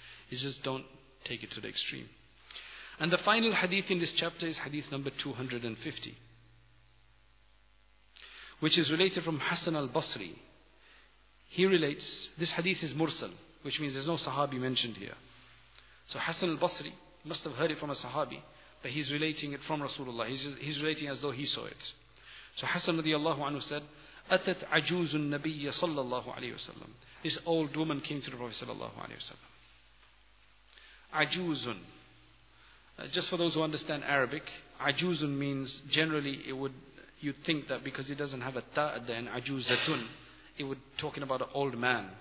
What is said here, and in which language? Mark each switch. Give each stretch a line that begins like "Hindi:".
English: You just don't take it to the extreme. And the final hadith in this chapter is hadith number 250, which is related from Hassan al-Basri. He relates, this hadith is mursal, which means there's no sahabi mentioned here. So Hassan al-Basri must have heard it from a sahabi, but he's relating it from Rasulullah. He's relating as though he saw it. So Hassan radiallahu anhu said,
Arabic: أَتَتْ عَجُوزُ النَّبِيَّ صَلَّى اللَّهُ عَلَيْهِ وَسَلَّمُ.
English: This old woman came to the Prophet صلى الله عليه وسلم.
Arabic: عَجُوزٌ.
English: Just for those who understand Arabic, عَجُوزٌ means generally you'd think that because it doesn't have a ta at the end, عَجُوزَتٌ, it would talking about an old man.